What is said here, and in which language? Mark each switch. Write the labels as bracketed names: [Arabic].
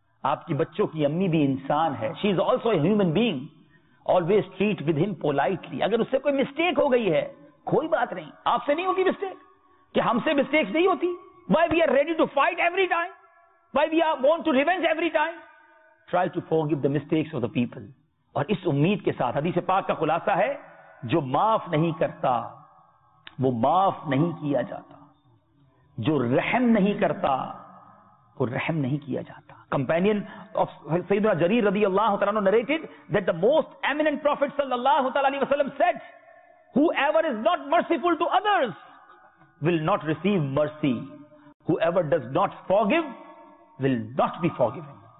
[Urdu] آپ کی بچوں کی امی بھی انسان ہے, [English] She is also a human being. Always treat with them politely. [Urdu] اگر اس سے کوئی مسٹیک ہو گئی ہے, کوئی بات نہیں, آپ سے نہیں ہوگی مسٹیک, کہ ہم سے مسٹیکس نہیں ہوتی. [English] Why we are ready to fight every time, why we are want to revenge every time. Try to forgive the mistakes of the people. [Urdu] اور اس امید کے ساتھ حدیث پاک کا خلاصہ ہے, جو معاف نہیں کرتا وہ معاف نہیں کیا جاتا, جو رحم نہیں کرتا وہ رحم نہیں کیا جاتا. [English] Companion of سیدنا جریر رضی اللہ تعالیٰ عنہ narrated that the most eminent prophet صلی اللہ علیہ وسلم said, whoever is not merciful to others will not receive mercy, whoever does not forgive will not be forgiven.